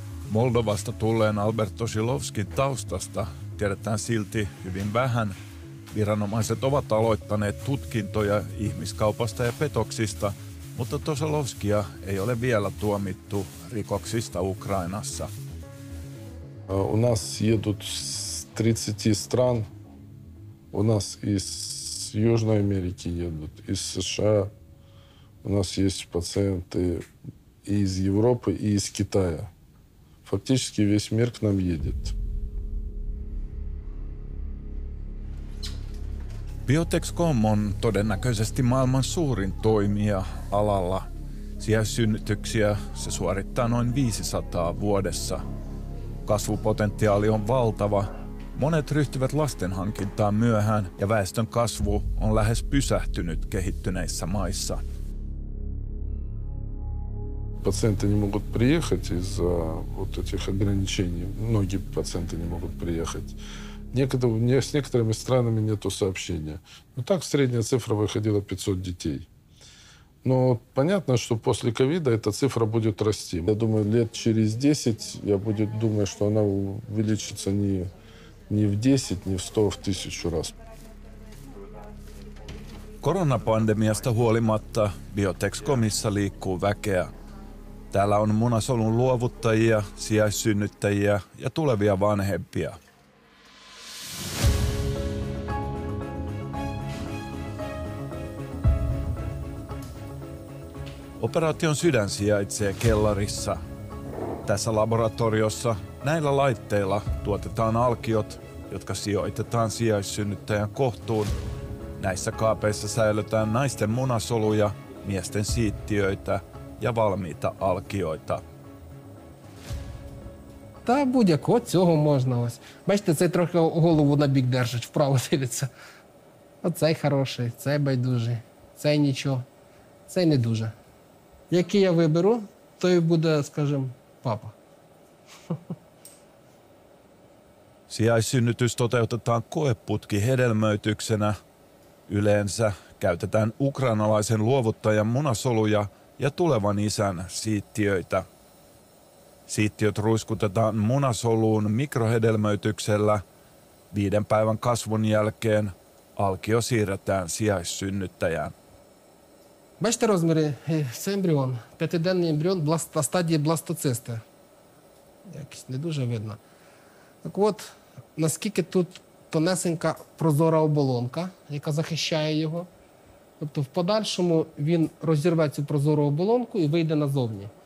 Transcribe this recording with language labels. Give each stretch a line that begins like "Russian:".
Finnish: Moldovasta tulleen Alberto Zilovskin taustasta tiedetään silti hyvin vähän. Viranomaiset ovat aloittaneet tutkintoja ihmiskaupasta ja petoksista, mutta Tosolovskia ei ole vielä tuomittu rikoksista Ukrainassa.
Russian: У нас едут с 30 стран. У нас из Южной Америки едут, из США. У нас есть пациенты из Европы и из Китая. Фактически весь мир к нам едет.
Finnish: Biotex.com on todennäköisesti maailman suurin toimija alalla. Sijaissynnytyksiä se suorittaa noin 500 vuodessa. Kasvupotentiaali on valtava. Monet ryhtyvät lastenhankintaan myöhään ja väestön kasvu on lähes pysähtynyt kehittyneissä maissa.
Russian: Patienti не могут приехать из-за вот этих ограничений. Многие пациенты не могут приехать. С некоторыми странами нету сообщения. Но так средняя цифра выходила 500 детей. Но понятно, что после ковида эта цифра будет расти. Я думаю, лет через 10 я буду думать, что она увеличится не в 10, не в 100, а в 1000 раз.
Finnish: Koronapandemiasta huolimatta Biotex-komissa liikkuu väkeä. Täällä on munasolun luovuttajia, sijaissynnyttäjiä ja tulevia vanhempia. Operaation sydän sijaitsee kellarissa. Tässä laboratoriossa näillä laitteilla tuotetaan alkiot, jotka sijoitetaan sijaissynnyttäjän kohtuun. Näissä kaapeissa säilytään naisten munasoluja, miesten siittiöitä ja valmiita alkioita.
Ukrainian: Tää будь-як, от цього можна ось. Бачите, цей трохи голову на бік держить, вправо дивиться. От цей хороший, цей байдужий, цей нічого, цей не дуже. Який я виберу, той буде, скажімо, папа.
Finnish: Sijaissynnytys toteutetaan koeputki hedelmöityksenä. Yleensä käytetään ukrainalaisen luovuttajan munasoluja ja tulevan isän siittiöitä. Siittiöt ruiskutetaan munasoluun mikrohedelmöityksellä. 5 päivän kasvun jälkeen alkio siirretään sijaissynnyttäjään.
Ukrainian: Бачите розміри? Це ембріон. 5-денний ембріон на стадії бластоцисти. Якось не дуже видно. Так от, наскільки тут тонесенька прозора оболонка, яка захищає його. Тобто в подальшому він розірве цю прозору оболонку і вийде назовні.